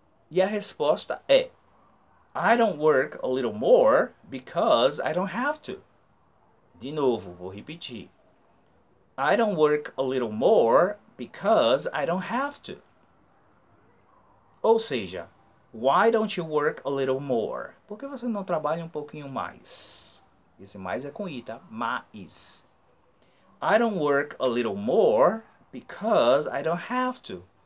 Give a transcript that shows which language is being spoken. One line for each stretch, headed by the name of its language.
Portuguese: E a resposta é,
English: I don't work a little more because I don't have to.
Portuguese: De novo, vou repetir.
English: I don't work a little more because I don't have to.
Portuguese: Ou seja,
English: why don't you work a little more?
Portuguese: Por que você não trabalha um pouquinho mais? Esse mais é com I, tá? Mais.
English: I don't work a little more because I don't have to.